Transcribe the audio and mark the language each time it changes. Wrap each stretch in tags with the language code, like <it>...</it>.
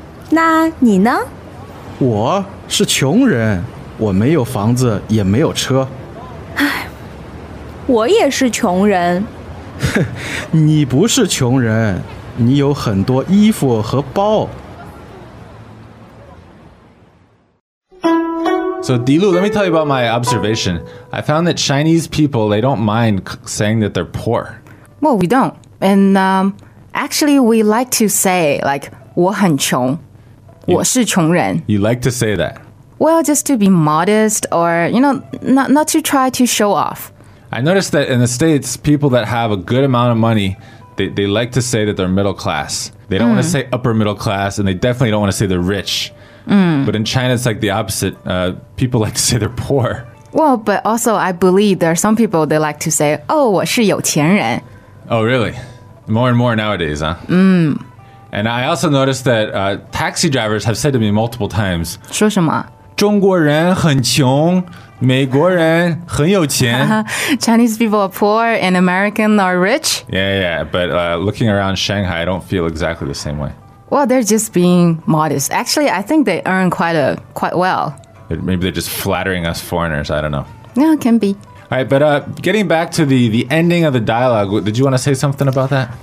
<zh>那你呢? 我是穷人, 我没有房子, 也没有车。我也是穷人。你不是穷人, 你有很多衣服和包。</zh> <en>So Dilu, let me tell you about my observation. I found that Chinese people, they don't mind saying that they're poor. Well, we don't. And actually, we like to say like,</en> <zh>我很穷, 我是穷人.</zh> <en>You like to say that? Well, just to be modest or, you know, not to try to show off. I noticed that in the States, people that have a good amount of money, they like to say that they're middle class. They don't want to say upper middle class, and they definitely don't want to say they're rich. But in China, it's like the opposite. People like to say they're poor. Well, but also I believe there are some people they like to say,</en> <zh>我是有钱人.</zh> <en>Oh, really? More and more nowadays, huh? And I also noticed that taxi drivers have said to me multiple times,</en> <zh>说什么? 中国人很穷, 美国人很有钱.</zh> <en>Chinese people are poor and American are rich. Yeah. But looking around Shanghai, I don't feel exactly the same way. Well, they're just being modest. Actually, I think they earn quite well. Maybe they're just flattering us foreigners. I don't know. Yeah, it can be. All right, but getting back to the ending of the dialogue, did you want to say something about that?</en>